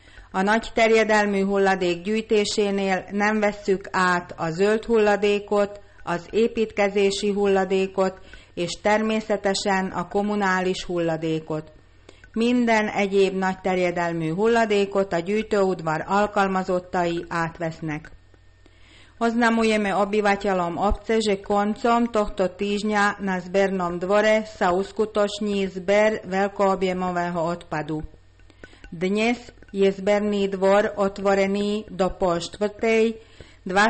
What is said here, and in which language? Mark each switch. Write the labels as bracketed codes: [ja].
[hu] A nagy terjedelmű hulladék gyűjtésénél nem vesszük át a zöld hulladékot, az építkezési hulladékot és természetesen a kommunális hulladékot. Minden egyéb nagy terjedelmű hulladékot a gyűjtőudvar alkalmazottai átvesznek. [sk] Oznamujeme obyvateľom obce, že koncom tohto týždňa na zbernom dvore sa uskutoční zber veľkoobjemového odpadu. Dnes je zberný dvor otvorený do 15:30, 25.